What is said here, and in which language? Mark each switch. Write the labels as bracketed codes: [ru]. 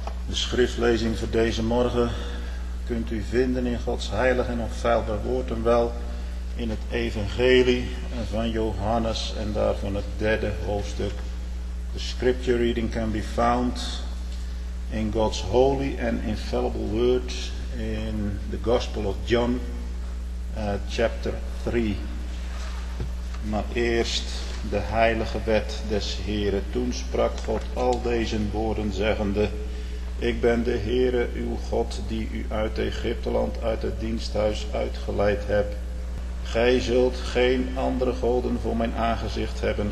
[nl] schriftlezing voor deze morgen kunt u vinden in Gods heilig en onfeilbaar woord en wel in het evangelie van Johannes en daarvan het derde hoofdstuk. [en] The scripture reading can be found in God's holy and infallible word in the gospel of John chapter 3. [nl] Maar eerst de heilige wet des Heren. Toen sprak God al deze woorden zeggende: Ik ben de Heere uw God die u uit Egypteland uit het diensthuis uitgeleid hebt. Gij zult geen andere goden voor mijn aangezicht hebben.